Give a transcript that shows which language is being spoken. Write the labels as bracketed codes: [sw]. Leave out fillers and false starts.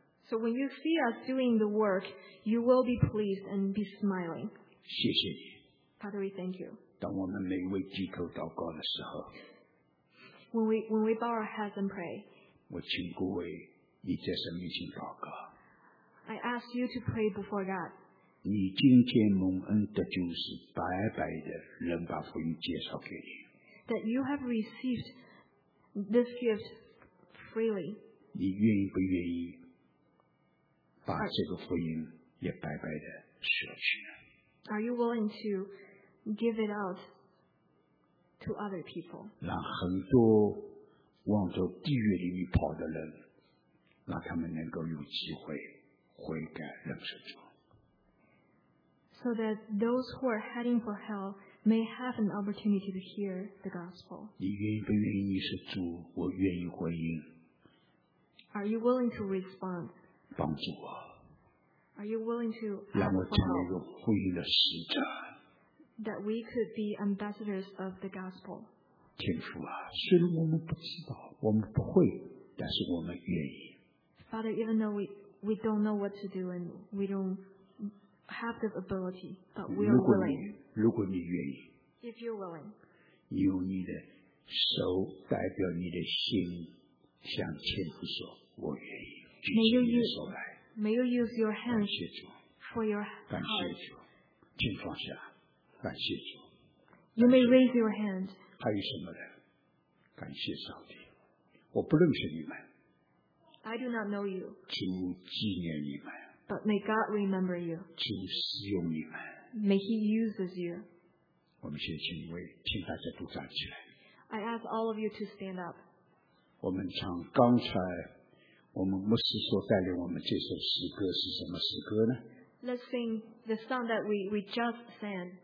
[en] So when you see us doing the work, you will be pleased and be smiling. [zh] 谢谢你。 [en] Father, we thank you. [zh] 当我们每一位低头祷告的时候 [en] When we bow our heads and pray, [zh] 我请各位你在神面前祷告 [en] I ask you to pray before God [zh] 你今天蒙恩的就是白白的人把福音介绍给你 [en] That you have received this gift freely [zh] 你愿意不愿意把这个福音也白白的舍去 [en] Are you willing to give it out to other people. [zh] 让很多往着地狱里面跑的人，让他们能够有机会悔改认识主。 [en] So that those who are heading for hell may have an opportunity to hear the gospel. [zh] 你愿意不愿意？你是主，我愿意回应。 [en] Are you willing to respond? [zh] 帮助我。 [en] Are you willing to [zh] 让我成为一个福音的使者？ [en] That we could be ambassadors of the gospel. [zh] 天父啊，虽然我们不知道，我们不会，但是我们愿意。 [en] Father, even though we don't know what to do and we don't have the ability, but we are willing. [zh] 如果你愿意。 [en] If you're willing. [zh] 用你的手代表你的心，向天父说，我愿意。 [en] May you use your hands for your heart. [zh] 感谢主，请放下。感谢主。 [en] You may raise your hand. [zh] 还有什么人？感谢上帝，我不认识你们。 [en] I do not know you. [zh] 主纪念你们。 [en] But may God remember you. [zh] 主使用你们。 [en] May He uses you. [zh] 我们先请一位，请大家都站起来。 [en] I ask all of you to stand up. [zh] 我们唱刚才我们牧师所带领我们这首诗歌是什么诗歌呢？ [en] Let's sing the song that we just sang.